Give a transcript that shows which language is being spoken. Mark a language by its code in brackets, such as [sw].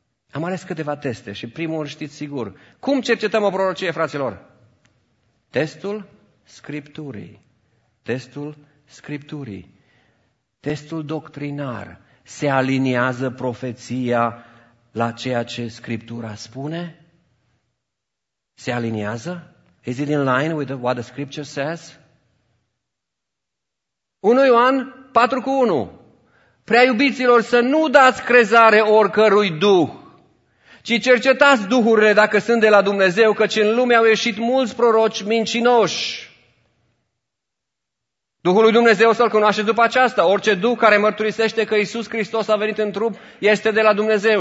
[ro] Am ales câteva teste și primul știți sigur. Cum cercetăm o prorocie, fraților? Testul Scripturii. Testul Scripturii. Testul doctrinar. Se aliniază profeția la ceea ce Scriptura spune? Se aliniază? [en] Is it in line with what the Scripture says? [ro] 1 Ioan 4:1. Prea iubiților, să nu dați crezare oricărui duh, ci cercetați duhurile dacă sunt de la Dumnezeu, căci în lume au ieșit mulți proroci mincinoși. Duhul lui Dumnezeu să-l cunoaște după aceasta. Orice duh care mărturisește că Iisus Hristos a venit în trup este de la Dumnezeu.